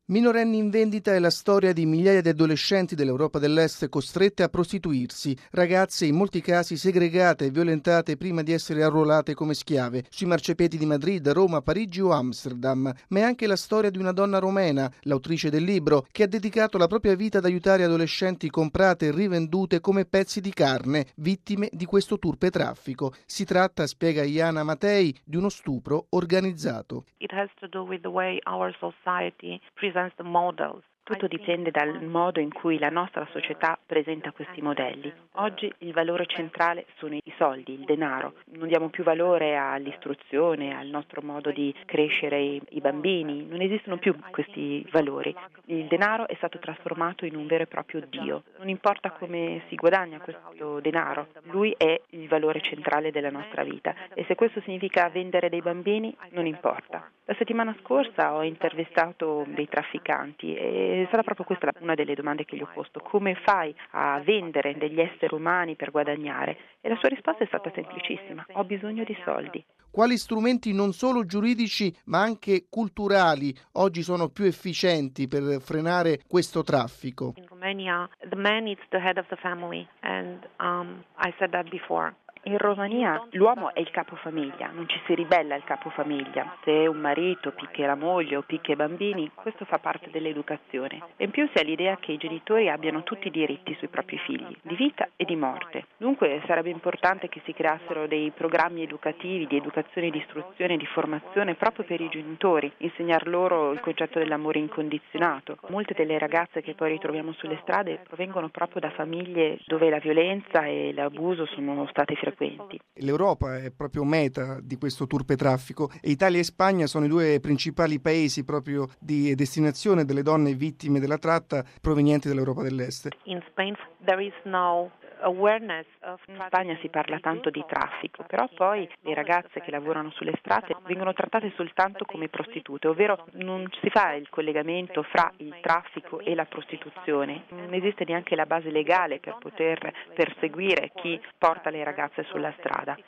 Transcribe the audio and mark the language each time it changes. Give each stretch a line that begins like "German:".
Italian: Minorenni in vendita è la storia di migliaia di adolescenti dell'Europa dell'Est costrette a prostituirsi, ragazze in molti casi segregate e violentate prima di essere arruolate come schiave, sui marciapiedi di Madrid, Roma, Parigi o Amsterdam. Ma è anche la storia di una donna romena, l'autrice del libro, che ha dedicato la propria vita ad aiutare adolescenti comprate e rivendute come pezzi di carne, vittime di questo turpe traffico. Si tratta, spiega Iana Matei, di uno stupro organizzato.
English: It has to do with the way our society presents the models.
Italian: Tutto dipende dal modo in cui la nostra società presenta questi modelli. Oggi il valore centrale sono i soldi, il denaro. Non diamo più valore all'istruzione, al nostro modo di crescere i bambini. Non esistono più questi valori. Il denaro è stato trasformato in un vero e proprio dio. Non importa come si guadagna questo denaro, lui è il valore centrale della nostra vita. E se questo significa vendere dei bambini, non importa. La settimana scorsa ho intervistato dei trafficanti e è stata proprio questa una delle domande che gli ho posto: come fai a vendere degli esseri umani per guadagnare? E la sua risposta è stata semplicissima: ho bisogno di soldi. Quali strumenti non solo giuridici ma anche culturali oggi sono più efficienti per frenare questo traffico?
English: In Romania, the man is the head of the family, and I said that before.
Italian: In Romania l'uomo è il capofamiglia, non ci si ribella al capofamiglia. Se un marito picchia la moglie o picchia i bambini, questo fa parte dell'educazione. E in più si ha l'idea che i genitori abbiano tutti i diritti sui propri figli, di vita e di morte. Dunque sarebbe importante che si creassero dei programmi educativi, di educazione, di istruzione, di formazione, proprio per i genitori, insegnar loro il concetto dell'amore incondizionato. Molte delle ragazze che poi ritroviamo sulle strade provengono proprio da famiglie dove la violenza e l'abuso sono state frequenti. L'Europa è proprio meta di questo turpe traffico. Italia e Spagna sono i due principali paesi proprio di destinazione delle donne vittime della tratta provenienti dall'Europa dell'Est.
English: In Spain there is no awareness.
Italian: In Spagna si parla tanto di traffico, però poi le ragazze che lavorano sulle strade vengono trattate soltanto come prostitute, ovvero non si fa il collegamento fra il traffico e la prostituzione. Non esiste neanche la base legale per poter perseguire chi porta le ragazze sulla strada.